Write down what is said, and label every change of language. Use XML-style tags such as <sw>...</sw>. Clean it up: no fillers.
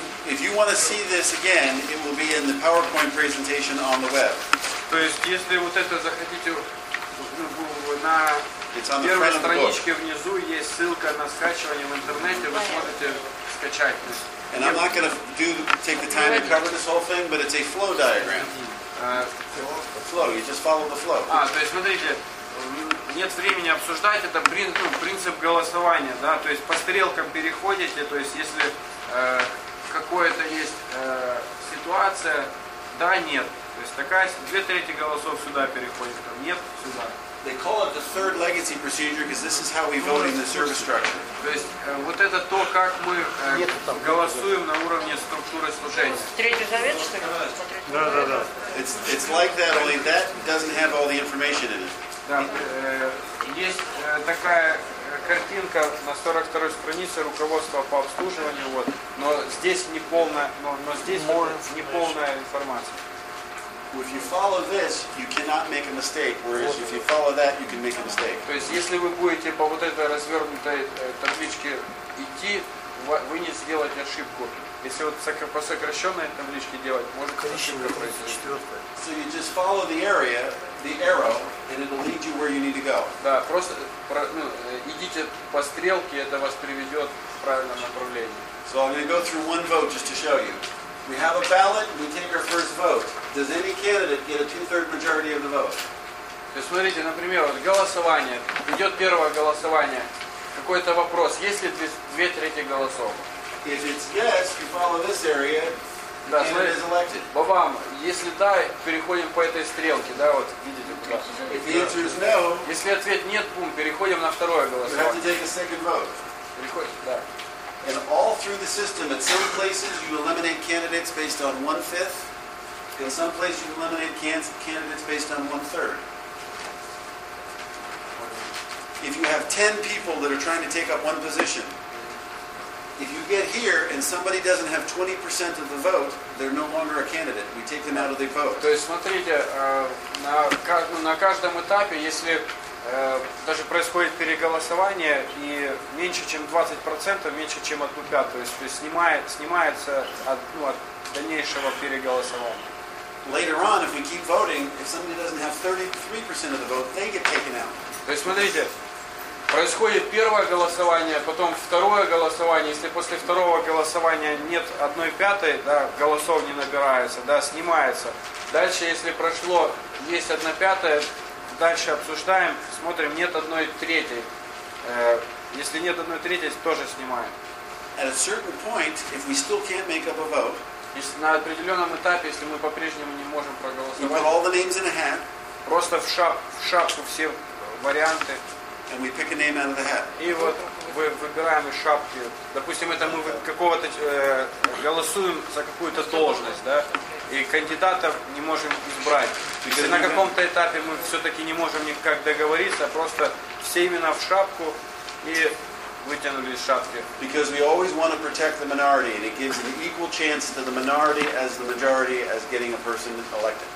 <en>If you want to see this again, it will be in the PowerPoint presentation on the web.</en> <ru>То есть, если вот это захотите, ну, на первой страничке внизу есть ссылка на скачивание в интернете, вы сможете скачать.</ru> <en>And I'm not going to take the time to cover this whole thing, but it's a flow diagram. A flow, you just follow the flow.</en> <ru>А, то есть смотрите, нет времени обсуждать, это принцип голосования, да, то есть по стрелкам переходите, то есть если какое-то есть ситуация, да, нет, то есть такая, две трети голосов сюда переходит, там нет, сюда.</ru> <en>They call it the third legacy procedure because this is how we vote in the service structure.</en> <ru>То есть вот это то, как мы голосуем на уровне структуры служения. Третий завет, что ли? Да, да, да.</ru> <en>It's like that, only that doesn't have all the information in it.</en> <ru>Да, есть такая картинка на 42-й странице руководства по обслуживанию, вот, но здесь не полная, но здесь не полная информация.</ru> <en>If you follow this, you cannot make a mistake. Whereas if you follow that, you can make a mistake.</en> <ru>То есть если вы будете по вот этой развернутой табличке идти, вы не сделаете ошибку. Если вот по сокращенной табличке делать, может ошибка произойти.</ru> <en>So you just follow the area, the arrow, and it'll lead you where you need to go.</en> <ru>Да, просто идите по стрелке, это вас приведет в правильном направлении.</ru> <en>So I'm going to go through one vote just to show you. We have a ballot. We take our first vote. Does any candidate get a two-thirds majority of the vote?</en> <ru>То есть, смотрите, например, вот голосование. Идет первое голосование. Какой-то вопрос. Есть ли две трети голосов?</ru> <en>If it's yes, you follow this area.</en> <ru>Да,</ru> <en>candidate is elected.</en> <ru>Бабам, если да, переходим по этой стрелке, да, вот видите куда.</ru> <en>If the answer is no.</en> <ru>Если ответ нет, бум, переходим на второе голосование.</ru> <en>You have to take a second vote.</en> <ru>Переходим, да.</ru> <en>And all through the system, at some places you eliminate candidates based on 1/5. In some places you eliminate candidates based on 1/3. If you have 10 people that are trying to take up one position, if you get here and somebody doesn't have 20% of the vote, they're no longer a candidate. We take them out of the vote.</en> <ru>То есть смотрите, на каждом этапе, если даже происходит переголосование и меньше чем 20%, меньше чем 1/5, то есть снимается от дальнейшего переголосования.</ru> <en>Later on, if we keep voting, if somebody doesn't have 33% of the vote, they get taken out.</en> <ru>То есть смотрите, происходит первое голосование, потом второе голосование. Если после второго голосования нет 1/5, да, голосов не набирается, да, снимается. Дальше, если прошло, есть 1/5. Дальше обсуждаем, смотрим, нет 1/3. Если нет 1/3, тоже снимаем.</ru> <en>At a certain point, if we still can't make up a vote,</en> <ru>если на определенном этапе, если мы по-прежнему не можем проголосовать,</ru> <en>we put all the names in a hat,</en> <ru>просто в шапку все варианты,</ru> <en>and we pick a name out of the hat.</en> <ru>И вот мы выбираем из шапки. Допустим, это мы какого-то голосуем за какую-то должность, да? И кандидатов не можем избрать. Если на каком-то этапе мы все-таки не можем никак договориться, просто все имена в шапку и вытянули из шапки.</ru> <en>Because we always want to protect the minority, and it gives an equal chance to the minority as the majority as getting a person elected.</en>